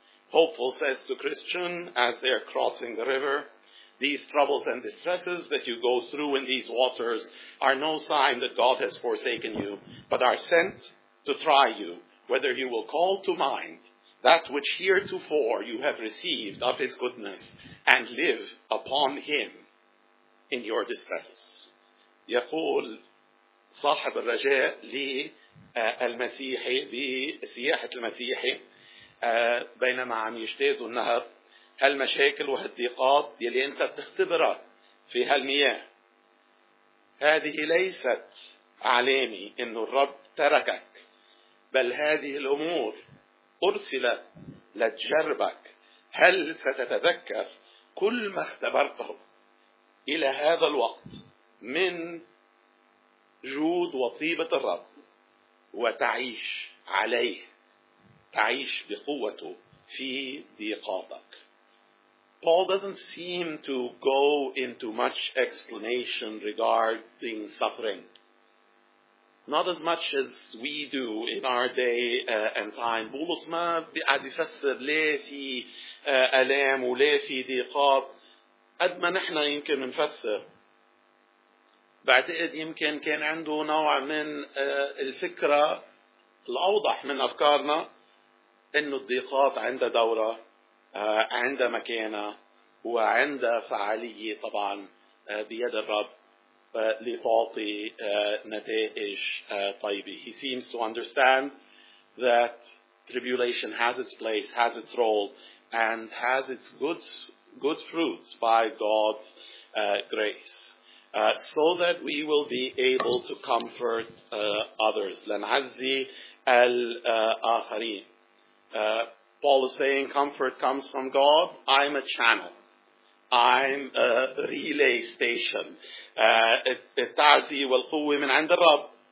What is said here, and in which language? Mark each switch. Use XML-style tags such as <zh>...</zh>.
<en>Hopeful says to Christian as they are crossing the river, these troubles and distresses that you go through in these waters are no sign that God has forsaken you, but are sent to try you whether you will call to mind that which heretofore you have received of his goodness and live upon him in your distresses.</en> <ar>يقول صاحب الرجاء للمسيحي بسياحة المسيحي بينما عم يجتاز النهر هالمشاكل وهالضيقات يلي انت بتختبرها في هالمياه، هذه ليست علامة انه الرب تركك، بل هذه الأمور أرسلت لتجربك. هل ستتذكر كل ما اختبرته إلى هذا الوقت من جود وطيبة الرب وتعيش عليه، تعيش بقوته في ضيقاتك؟</ar> <en>Paul doesn't seem to go into much explanation regarding suffering. Not as much as we do in our day and time.</en> <ar>بولس ما بيقعد يفسر ليه في ألام وليه في ضيقات قد ما نحن يمكن نفسر. بعتقد يمكن كان عنده نوع من الفكرة الأوضح من أفكارنا إنه الضيقات عندها دورة، عندها مكانة، وعندها فعالية طبعا بيد الرب لتعطي نتائج طيبة.</ar> <en>He seems to understand that tribulation has its place, has its role, and has its good fruits by God's grace, so that we will be able to comfort others.</en> <ar>لنعزي الآخرين.</ar> <en>Paul is saying comfort comes from God. I'm a channel. I'm a relay station.</en> <ar>التعزي والقوة من عند الرب.</ar>